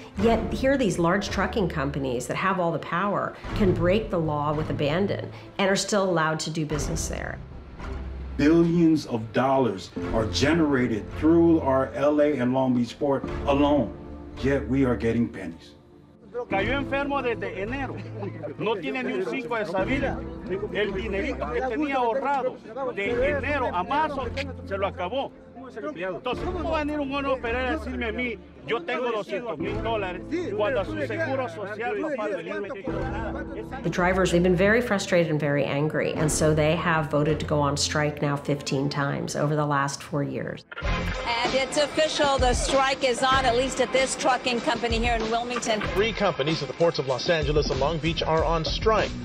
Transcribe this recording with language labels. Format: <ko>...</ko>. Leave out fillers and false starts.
<en>Yet here these large trucking companies that have all the power can break the law with abandon and are still allowed to do business there. Billions of dollars are generated through our LA and Long Beach port alone, yet we are getting pennies.</en> <es>Cayó enfermo desde enero. No tiene ni un cinco de esa vida. El dinerito que tenía ahorrado de enero a marzo se lo acabó. Entonces, ¿cómo va a venir un hombre a operar a decirme a mí, yo tengo $200,000 cuando a su seguro social no paga el IMSS?</es> <en>The drivers, they've been very frustrated and very angry, and so they have voted to go on strike now 15 times over the last 4 years. And it's official, the strike is on, at least at this trucking company here in Wilmington. Three companies at the ports of Los Angeles and Long Beach are on strike.</en>